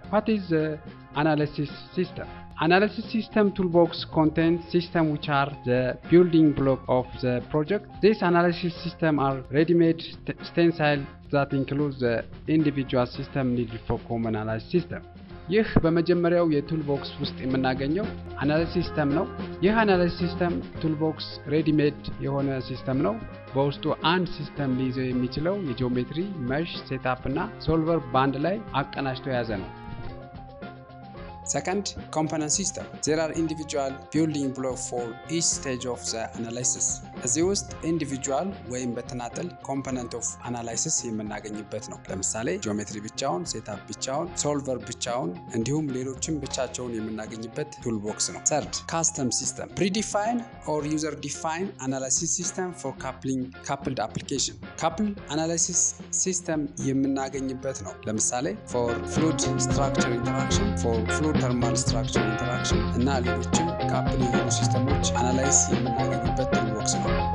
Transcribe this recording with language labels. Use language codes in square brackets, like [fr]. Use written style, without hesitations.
[en] What is the analysis system? Analysis system toolbox contains system which are the building block of the project. These analysis system are ready-made stencil that includes the individual system needed for common analysis system. [am] ይህ በመጀመሪያው የtoolbox ውስጥ የምናገኘው analysis system ነው። ይህ analysis system toolbox ready-made የሆነ system ነው። በውስጡ አንድ system ሊይዘው የሚችለው የgeometry, mesh, setup እና solver band ላይ አቀናጅቶ የያዘ ነው። [en] Second, component system. There are individual building blocks for each stage of the analysis. As you used, [am] individual ወይም በተናጠል component of analysis የምናገኝበት ነው። ለምሳሌ geometry ብቻውን, setup ብቻውን, solver ብቻውን እንዲሁም ሌሎችን ብቻቸውን የምናገኝበት toolbox ነው። [en] Third, custom system. Predefined or user defined analysis system for coupled application. [am] Coupled analysis system የምናገኝበት ነው። ለምሳሌ [en] for fluid structure interaction, [am] for fluid thermal structure interaction እና ሌሎችን coupled የሆኑ ሲስተሞች analyze የምናገኝበት toolbox ነው።